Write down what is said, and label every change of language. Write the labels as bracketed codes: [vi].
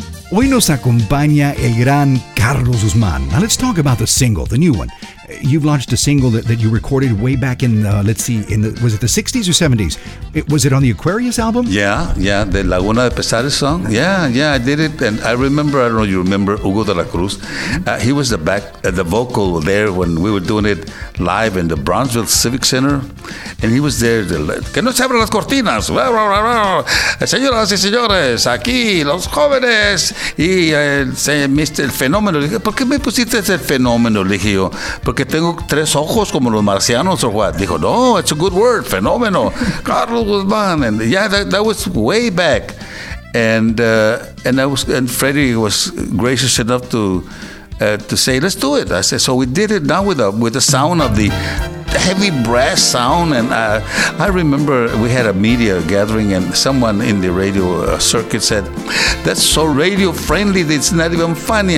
[es] Hoy nos acompaña el gran Carlos Guzmán. [en] Now let's talk about the single, the new one. You've launched a single that you recorded way back in, was it the 60s or 70s? Was it on the Aquarius album? Yeah, the Laguna de Pesares song. Yeah, I did it. And I remember, I don't know if you remember, Hugo de la Cruz. He was the vocal there when we were doing it live in the Bronzeville Civic Center. And he was there. [es] Que no se abren las cortinas. Señoras y señores, aquí los jóvenes. Y Mr. El Fenómeno. ¿Por qué me pusiste ese fenómeno? Le dije yo, porque tengo tres ojos como los marcianos o what. Dijo, no, [en] it's a good word, fenómeno. Carlos Guzmán. And yeah, that was way back. And Freddie was gracious enough to to say, let's do it. I said, so we did it now with the sound of the heavy brass sound. And I remember we had a media gathering and someone in the radio circuit said, that's so radio friendly, it's not even funny.